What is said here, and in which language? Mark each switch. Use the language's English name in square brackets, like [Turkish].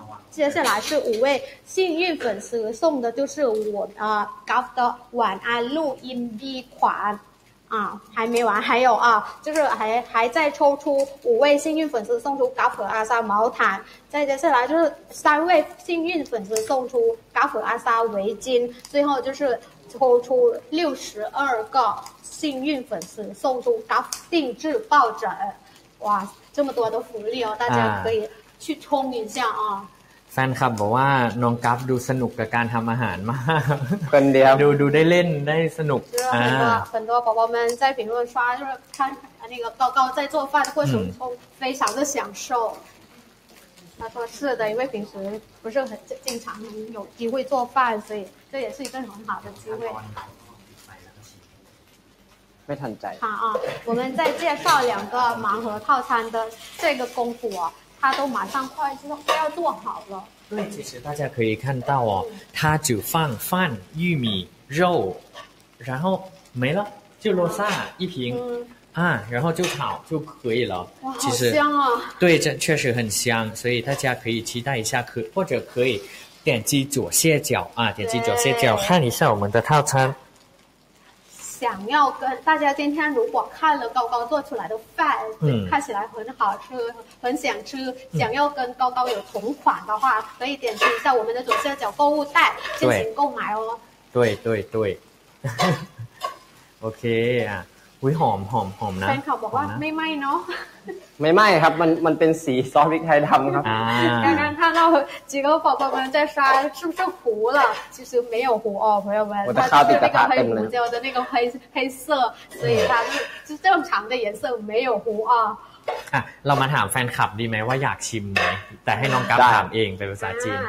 [Chinese] 接下来是5位幸运粉丝送的就是我高的晚安录音笔款啊，还没完，还有啊，就是还在抽出5位幸运粉丝送出高普阿萨毛毯，再接下来就是3位幸运粉丝送出高普阿萨围巾，最后就是抽出62 个幸运粉丝送出高定制抱枕，哇，这么多的福利哦，大家可以去冲一下啊。 [Thai] แฟนคลับบอกว่าน้องกัฟดูสนุกกับการทำอาหารมาก คนเดียว ดูได้เล่นได้สนุก [Chinese] อ่า很多宝宝们在评论刷就是看那个高高在做饭过程中非常的享受，他说是的，因为平时不是很经常有机会做饭，所以这也是一个很好的机会。好啊，我们再介绍两个盲盒套餐的这个功夫哦，它都马上快要做好了。对，其实大家可以看到哦，它只放饭、玉米、肉，然后没了，就罗萨一瓶、啊，然后就炒就可以了。哇，其实好香啊！对，这确实很香，所以大家可以期待一下，或者可以点击左下角啊，点击左下角看一下我们的套餐。想要跟大家今天如果看了高高做出来的饭、看起来很好吃很想吃，想要跟高高有同款的话、可以点击一下我们的左下角购物袋进行购买哦。对对对 [Thai] OK 啊，หอมหอมหอมนะ แฟนคลับบอกว่าไม่ไหม้เน าะไม่ไหม้ครับมันเป็นสีซอสพริกไทยดำครับ งั้นถ้าเราจิ๊กเกอร์บอกว่ามันจะใส่ [Chinese] 是不是糊了其实没有糊哦朋友们我的咖喱跟它黑胡椒的那个黑色所以它是正常的颜色没有糊哦 [Thai] เรามาถามแฟนคลับดีไหมว่าอยากชิมไหมแต่ให้น้องกัปถามเองเป็นภาษาจีน